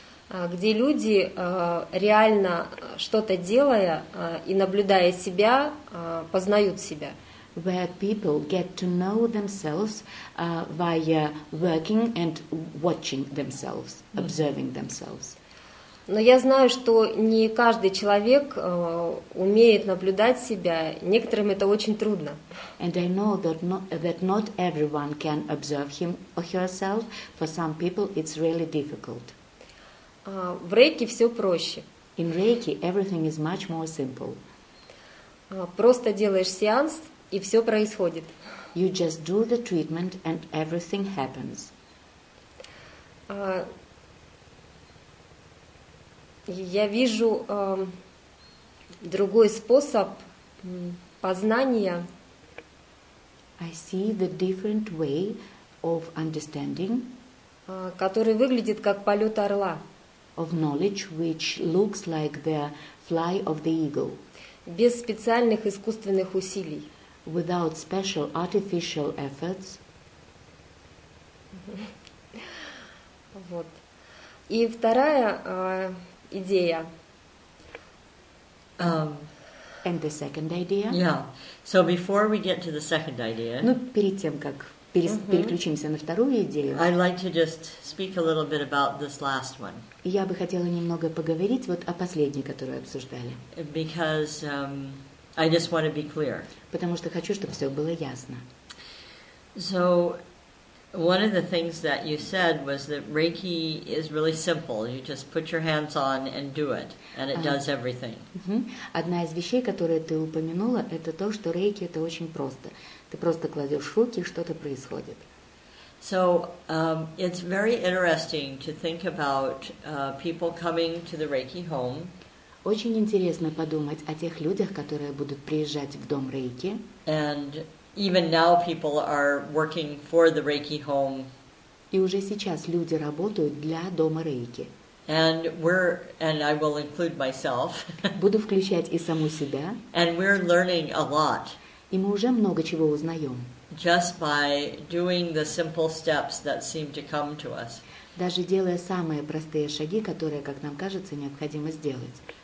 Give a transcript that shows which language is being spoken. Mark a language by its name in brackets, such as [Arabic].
[Russian] Где люди реально что-то делая и наблюдая себя, познают себя. [English] Where people get to know themselves via working and watching themselves, observing themselves. [Russian] Но я знаю, что не каждый человек умеет наблюдать себя. Некоторым это очень трудно. [English] And I know that not everyone can observe him or herself. For some people it's really difficult. [Russian] В Рейки все проще. [English] In Reiki everything is much more simple. [Russian] Просто делаешь сеанс, и все происходит. [English] You just do the treatment and everything happens. [Russian] Я вижу другой способ познания. [English] I see the different way of understanding, [Russian] который выглядит как полет орла. [English] Of knowledge, which looks like the fly of the eagle. [Russian] Без специальных искусственных усилий. [English] Without special artificial efforts. [Russian] Вот. И вторая идея. [English] And the second idea? Yeah. So before we get to the second idea. [Russian] Ну, перед тем как переключимся на вторую идею. [English] I'd like to just speak a little bit about this last one. [Russian] Я бы хотела немного поговорить вот о последней, которую обсуждали. [English] Because I just want to be clear. [Russian] Потому что хочу, чтобы все было ясно. [English] So one of the things that you said was that Reiki is really simple. You just put your hands on and do it, and it does everything. [Russian] Одна из вещей, которые ты упомянула, это то, что Рейки это очень просто. Ты просто кладешь руки, и что-то происходит. [English] So it's very interesting to think about people coming to the Reiki home. [Russian] Очень интересно подумать о тех людях, которые будут приезжать в дом Рейки. [English] And even now people are working for the Reiki home. [Russian] И уже сейчас люди работают для дома Рейки. [English] And we're and I will include myself. [Russian] Буду включать и саму себя. [English] And we're learning a lot. [Russian] И мы уже много чего узнаем. [English] Just by doing the simple steps that seem to come to us. [Russian] Даже делая самые простые шаги, которые, как нам кажется, необходимо сделать.